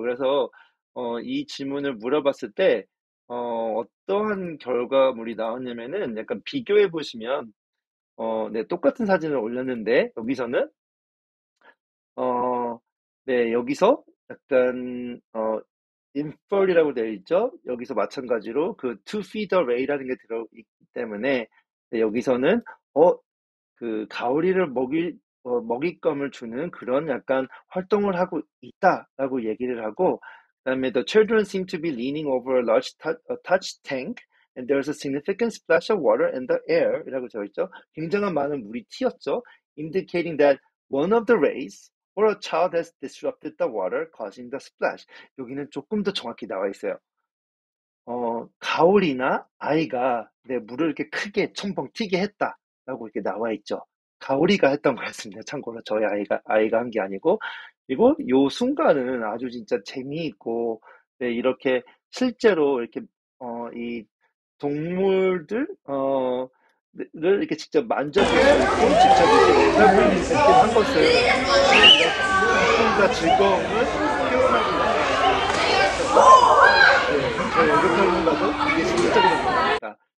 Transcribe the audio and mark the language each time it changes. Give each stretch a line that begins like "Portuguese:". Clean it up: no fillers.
Korean: 그래서 이 질문을 물어봤을 때, 어떠한 결과물이 나왔냐면은, 약간 비교해 보시면, 네, 똑같은 사진을 올렸는데, 여기서는, 네, 여기서, 약간, infer이라고 되어 있죠? 여기서 마찬가지로, 그,
English: to feed array
Korean: 라는 게 들어있기 때문에, 네, 여기서는, 그, 가오리를 먹잇감을 주는 그런 약간 활동을 하고 있다라고 얘기를 하고,
English: And the children seem to be leaning over a large touch tank, and there is a significant splash of water in the air.
Korean: 이라고 되어 있죠. 굉장한 많은 물이 튀었죠.
English: Indicating that one of the rays or a child has disrupted the water, causing the splash.
Korean: 여기는 조금 더 정확히 나와 있어요. 가오리나 아이가 내 물을 이렇게 크게 첨벙 튀게 했다라고 이렇게 나와 있죠. 가오리가 했던 거였습니다. 참고로 저희 아이가 한게 아니고. 그리고 요 순간은 아주 진짜 재미있고, 네, 이렇게 실제로 이렇게 이 동물들 를 이렇게 직접 만져볼 수 있고 직접 이렇게 경험을 느끼게 한 것을 기쁨과 즐거움을 표현하기 위해서 저희 애교살인가도 이게 실질적인 겁니다.